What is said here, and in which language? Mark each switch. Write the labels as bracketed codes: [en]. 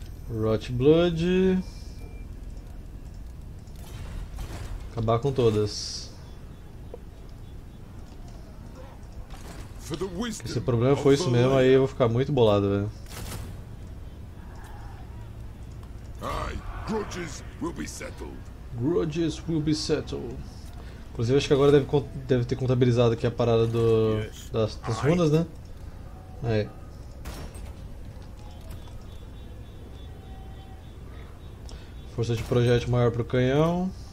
[pt] Rotblood. Acabar com todas. Se o problema foi isso mesmo, aí eu vou ficar muito bolado, velho. [en] Grudges will be settled. Grudges will be settled. [pt] Inclusive acho que agora deve ter contabilizado aqui a parada do. Das runas, né? Aí. Força de projeto maior pro canhão.